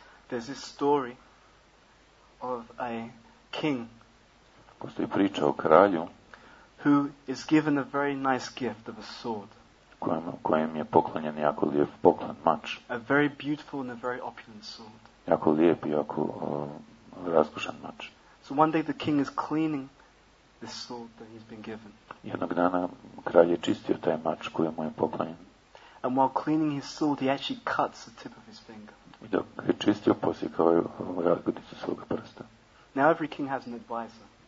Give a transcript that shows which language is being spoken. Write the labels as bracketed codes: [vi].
[en] There's this story of a king. [hr] Postoji priča o kralju. [en] Who is given a very nice gift of a sword. [hr] Kojem je poklonjen jako lijep poklon, mač. [en] A very beautiful and a very opulent sword. [hr] Jako lijep i jako raskošan mač. [en] So one day the king is cleaning this sword that he's been given. [hr] Jednog dana kralj je čistio taj mač koji mu je poklonjen. [en] And while cleaning his sword he actually cuts the tip of his finger. [hr] I dok je čistio posjekao je razgodicu svog prsta. [en] Now every king has an advisor.